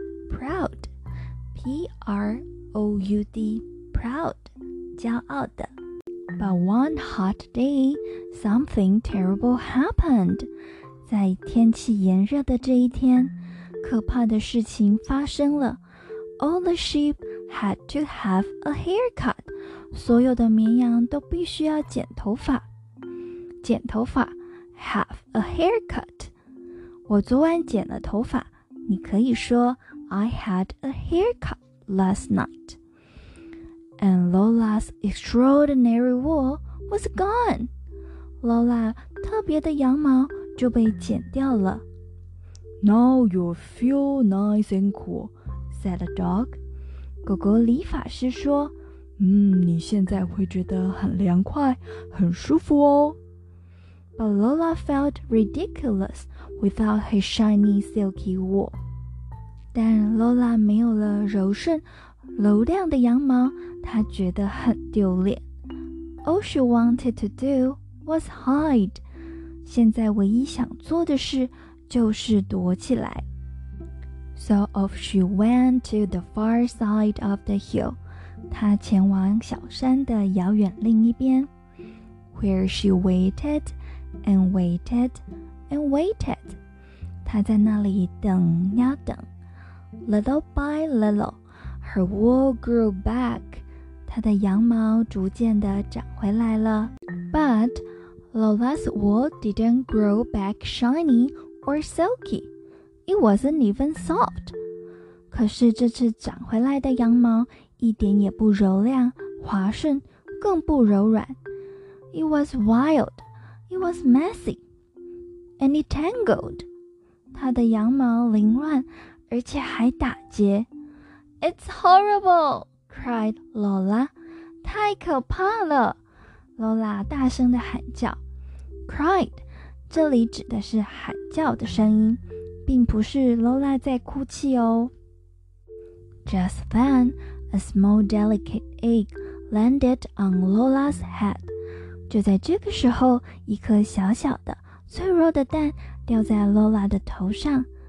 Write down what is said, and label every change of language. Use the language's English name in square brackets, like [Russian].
[English] Proud, P-R-O-U-D, proud, [Chinese] 骄傲的。 [English] But one hot day, something terrible happened. [Chinese] 在天气炎热的这一天，可怕的事情发生了。 [English] All the sheep had to have a haircut. [Chinese] 所有的绵羊都必须要剪头发。剪头发 , [English] have a haircut. [Chinese] 我昨晚剪了头发，你可以说 [English] I had a haircut last night. And Lola's extraordinary wool was gone. [Chinese] Lola 特别的羊毛就被剪掉了。 [English] Now you feel nice and cool, said a dog. [Chinese] 狗狗理发师说你现在会觉得很凉快，很舒服哦。 [English] But Lola felt ridiculous without his shiny silky wool. [Chinese] 但 Lola 没有了柔顺、柔亮的羊毛，她觉得很丢脸。 [English] All she wanted to do was hide. [Chinese] 现在唯一想做的事就是躲起来。 [English] So off she went to the far side of the hill. [Chinese] 她前往小山的遥远另一边 [English] Where she waited and waited [Chinese] and waited 她在那里等呀等 [English] Little by little, her wool grew back [Chinese] 她她的羊毛逐渐地长回来了。 [English] But Lola's wool didn't grow back shiny or silky. It wasn't even soft. [Chinese] 可是这次长回来的羊毛一点也不柔亮、滑顺，更不柔软。 [English] It was wild. It was messy. And it tangled. [Chinese] 她的羊毛凌乱，而且还打结。 [English] It's horrible! cried Lola. [Chinese] 太可怕了 [English] ,Lola [Chinese] 大声地喊叫。 cried, 这里指的是喊叫的声音，并不是 Lola 在哭泣哦。 [English] Just then, a small delicate egg landed on Lola's head. [Chinese] 就在这个时候，一颗小小的、脆弱的蛋掉在 Lola 的头上。